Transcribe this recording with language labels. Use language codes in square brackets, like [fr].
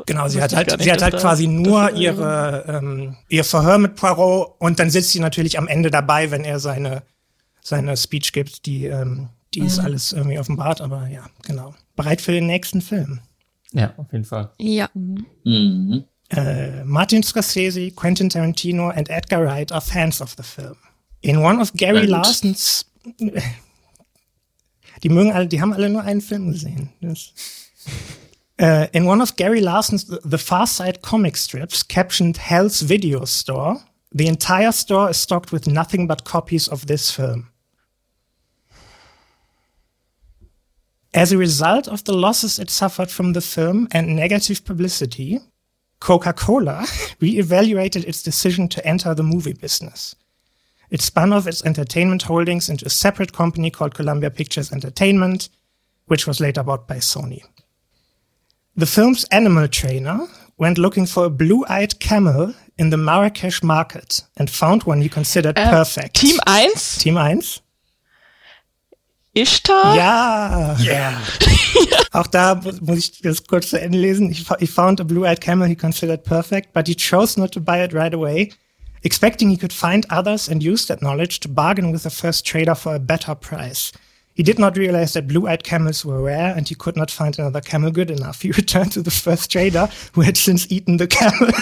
[de] Genau, sie hat quasi nur ihr Verhör mit Poirot und dann sitzt sie natürlich am Ende dabei, wenn er seine Speech gibt, die ist alles irgendwie offenbart, aber ja, genau. Bereit für den nächsten Film. Ja, auf jeden Fall. Ja. Mhm. [en] Martin Scorsese, Quentin Tarantino and Edgar Wright are fans of the film. In one of Gary Larson's... [de] Die mögen alle, die haben alle nur einen Film gesehen. [en] Das, in one of Gary Larson's The Far Side comic strips, captioned Hell's Video Store, the entire store is stocked with nothing but copies of this film. As a result of the losses it suffered from the film and negative publicity, Coca-Cola reevaluated its decision to enter the movie business. It spun off its entertainment holdings into a separate company called Columbia Pictures Entertainment, which was later bought by Sony. The film's animal trainer went looking for a blue-eyed camel in the Marrakesh market and found one he considered perfect. Team 1? Team 1. Ishtar? [de] Ja. [en] Yeah. [de] Auch da muss ich das kurz zu Ende lesen. [en] He found a blue-eyed camel he considered perfect, but he chose not to buy it right away, expecting he could find others and use that knowledge to bargain with the first trader for a better price. He did not realize that blue-eyed camels were rare and he could not find another camel good enough. He returned to the first trader, who had since eaten the camel.